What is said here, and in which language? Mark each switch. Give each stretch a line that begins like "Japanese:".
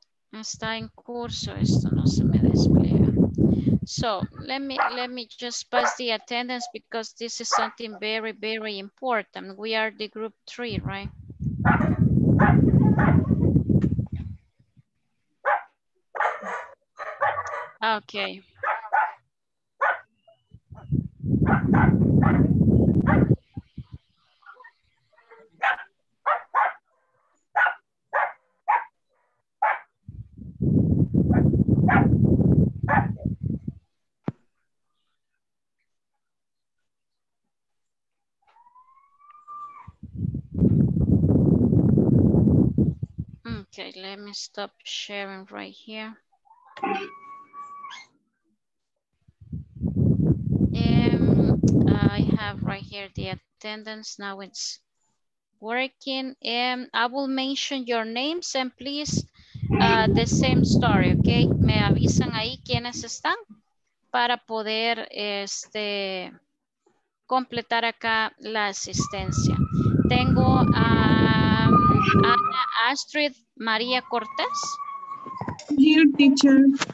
Spanish: Está en curso, esto no se me despliega.
English: So let me just pass the attendance, because this is something very, very important. We are the group three, right? Okay. Thank you. Okay, let me stop sharing right here. I have right here the attendance. Now it's working. I will mention your names and please the same story, okay?
Spanish: Me avisan ahí quiénes están para poder este, completar acá la asistencia. Tengo a Ana Astrid María Cortés.
English: Here, teacher.